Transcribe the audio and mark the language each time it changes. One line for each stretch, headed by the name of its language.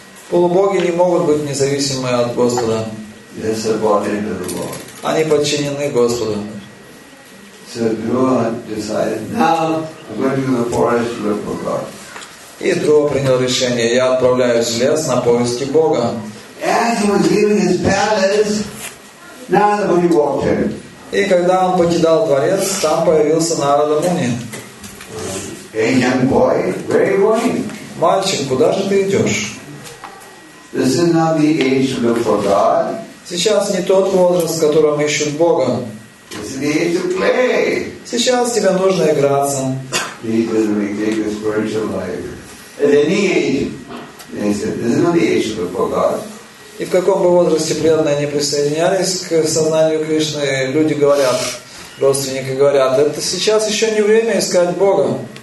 Russian: Полубоги не могут быть независимы от Господа.
English: They subordinate to the Lord.
Russian: Они подчинены Господу.
English: So Drua decided, now I'm going to the forest to look for God.
Russian: И Друа принял решение, я отправляюсь в лес на поиски Бога.
English: As he was leaving his palace, Narada Muni walked in.
Russian: И когда он покидал дворец, там появился Нарада Муни.
English: Hey, young boy, where are you going?
Russian: Мальчик, куда же ты идешь?
English: This is not the age to look for God.
Russian: Сейчас не тот возраст, в котором ищут Бога.
English: This is the age to play.
Russian: Сейчас тебе нужно играться.
English: Because we take the spiritual life. At any age, they said, this is not the age to look for God.
Russian: И в каком бы возрасте преданные не присоединялись к сознанию Кришны, люди говорят, родственники говорят, это сейчас еще не время искать Бога.